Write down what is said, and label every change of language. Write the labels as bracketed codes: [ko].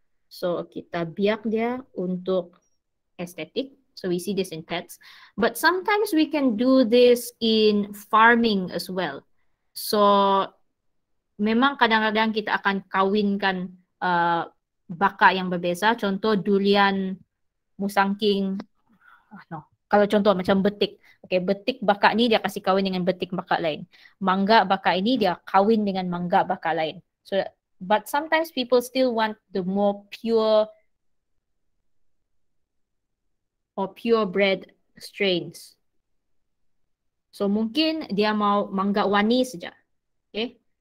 [ms] So kita biak dia untuk aesthetic. [en] So we see this in pets. But sometimes we can do this in farming as well. [ms] So memang kadang-kadang kita akan kawinkan baka yang berbeza. Contoh durian, musang king. Oh, no. Kalau contoh macam betik. Okay, betik bakak ni dia kasi kawin dengan betik bakak lain. Mangga bakak ini dia kawin dengan mangga bakak lain. [en] So, but sometimes people still want the more pure or purebred strains. [ms] So mungkin dia mau mangga wani saja. Okay.